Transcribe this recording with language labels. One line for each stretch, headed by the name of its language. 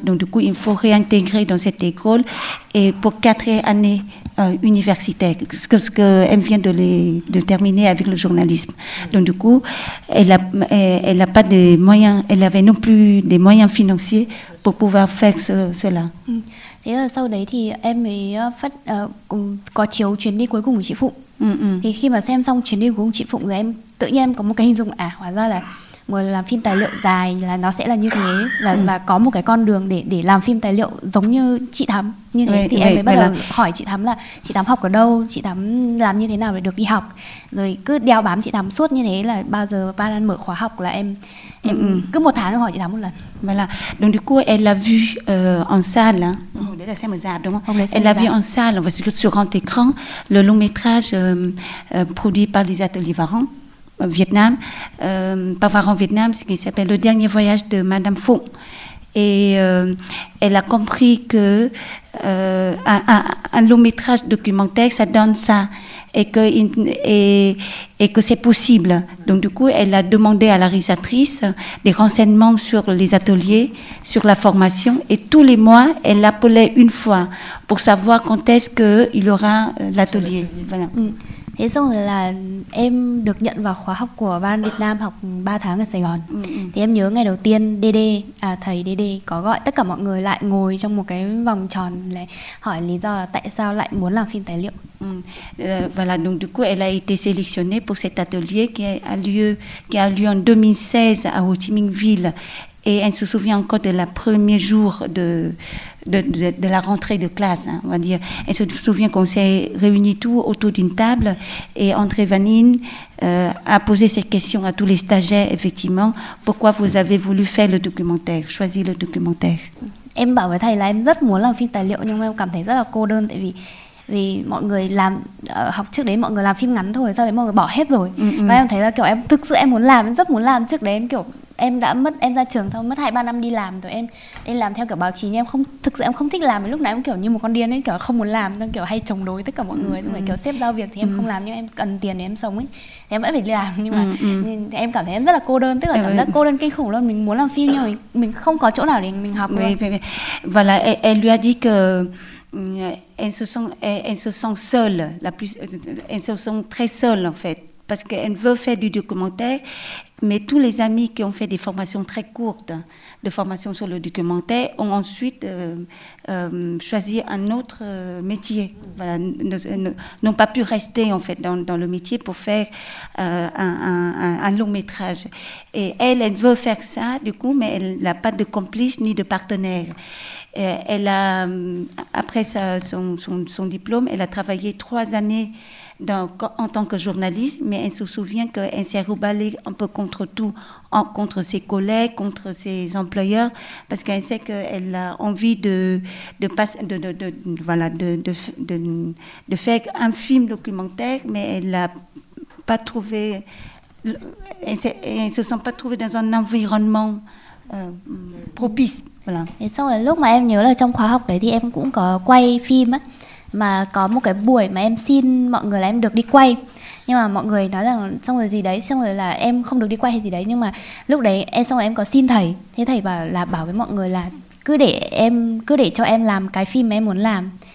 French: Donc du coup, il faut réintégrer dans cette école et pour 4 années universitaire, ce que elle vient de terminer avec le journalisme. Donc du coup, elle a pas de moyens, elle avait non plus des moyens financiers pour pouvoir faire cela.
Vietnamese: Thế là sau đấy thì em mới có chiếu chuyến đi cuối cùng của chị Phụng. Thì khi mà xem xong chuyến đi cuối cùng chị Phụng rồi em tự nhiên em có một cái hình dung hóa ra là người làm phim tài liệu dài là nó sẽ là như thế và có một cái con đường để làm phim tài liệu giống như chị Thắm như thế thì em mới bắt đầu hỏi chị Thắm là chị Thắm học ở đâu, chị Thắm làm như thế nào để được đi học, rồi cứ đeo bám chị Thắm suốt như thế là bao giờ ba đang mở khóa học là em cứ một tháng em hỏi chị Thắm một lần.
French: Voilà. Donc du coup, elle l'a vu en salle. Hein. Oh, là, c'est bizarre, donc. Elle l'a vu en salle, parce que sur grand écran, le long métrage produit par les ateliers Varan. Vietnam, par Varan Vietnam, ce qui s'appelle Le Dernier Voyage de Madame Phụng. Et elle a compris que un long métrage documentaire, ça donne ça, et que c'est possible. Donc du coup, elle a demandé à la réalisatrice des renseignements sur les ateliers, sur la formation, et tous les mois, elle l'appelait une fois pour savoir quand est-ce qu'il y aura l'atelier. Voilà.
Vietnamese: Thế xong rồi là em được nhận vào khóa học của Ban Việt Nam học 3 tháng ở Sài Gòn. Thì em nhớ ngày đầu tiên thầy DD có gọi tất cả mọi người lại ngồi trong một cái vòng tròn để hỏi lý do là tại sao lại muốn làm phim tài liệu.
French: Voilà, donc du coup elle a été sélectionnée pour cet atelier qui a lieu en 2016 à Ho Chi Minh Ville et elle se souvient encore de la premier jour de la rentrée de classe, hein, on va dire. Elle se souvient qu'on s'est réunis tous autour d'une table et André Vanine a posé cette question à tous les stagiaires, effectivement. Pourquoi vous avez voulu faire le documentaire, choisir le documentaire?
Vietnamese: Em bảo với thầy là em rất muốn làm phim tài liệu nhưng mà em cảm thấy rất là cô đơn tại vì mọi người làm học trước đấy mọi người làm phim ngắn thôi, sau đấy mọi người bỏ hết rồi. Và em thấy là kiểu em thực sự em muốn làm, em rất muốn làm. Trước đấy em kiểu em đã mất em ra trường thôi mất 2-3 năm đi làm rồi em đi làm theo kiểu báo chí nhưng em không thực sự em không thích làm, lúc nào em kiểu như một con điên ấy, kiểu không muốn làm nên kiểu hay chống đối tất cả mọi người, rồi kiểu xếp giao việc thì em không làm nhưng em cần tiền để em sống ấy thì em vẫn phải đi làm nhưng mà em cảm thấy em rất là cô đơn, tức là cảm giác cô đơn kinh khủng luôn. Mình muốn làm phim nhưng mình không có chỗ nào để mình học luôn. Và là
French: elle lui a dit que elle se sent seule, la plus elle se sent très seule en fait parce qu'elle veut faire du documentaire, mais tous les amis qui ont fait des formations très courtes de formation sur le documentaire ont ensuite choisi un autre métier. Voilà, n'ont pas pu rester en fait dans le métier pour faire un long métrage. Et elle veut faire ça, du coup, mais elle n'a pas de complice ni de partenaire. Elle a, après son diplôme, elle a travaillé 3 années en tant que journaliste, mais elle se souvient qu'elle s'est rebellée un peu contre tout, contre ses collègues, contre ses employeurs, parce qu'elle sait qu'elle a envie de faire un film documentaire, mais elle n'a pas trouvé, elle se sent pas trouvée dans un environnement propice. Voilà.
Vietnamese: Et sau lúc mà em nhớ là trong khóa học đấy thì em cũng có quay phim á. Mà có một cái buổi mà em xin mọi người là em được đi quay, nhưng mà mọi người nói rằng xong rồi gì đấy, xong rồi là em không được đi quay hay gì đấy. Nhưng mà lúc đấy em xong rồi em có xin thầy, thế thầy bảo với mọi người là cứ để cho em làm cái phim mà em muốn làm.